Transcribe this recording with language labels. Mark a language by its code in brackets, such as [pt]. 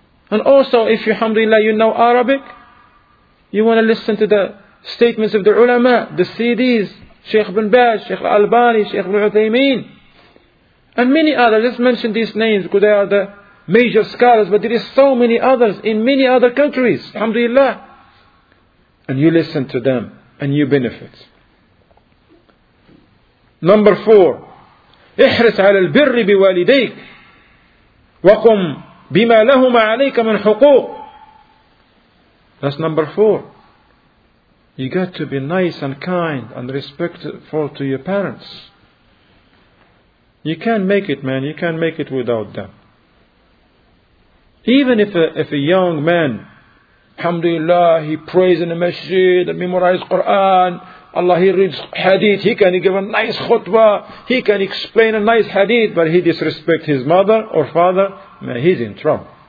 [en] And also, if you, alhamdulillah, you know Arabic, you want to listen to the statements of the ulama, the CDs, Sheikh bin Baz, Sheikh al-Albani, Sheikh bin Uthaymeen, and many others. Let's mention these names because they are the major scholars, but there is so many others in many other countries, alhamdulillah. And you listen to them and you benefit. Number 4, [ar] احرص على البر بوالديك وقم بما لهما عليك من حقوق. [en] That's number 4. You got to be nice and kind and respectful to your parents. You can't make it, man. You can't make it without them. Even if a young man, alhamdulillah, he prays in the masjid, memorizes Quran, Allah, he reads hadith, he can give a nice khutbah, he can explain a nice hadith, but he disrespects his mother or father, man, he's in trouble.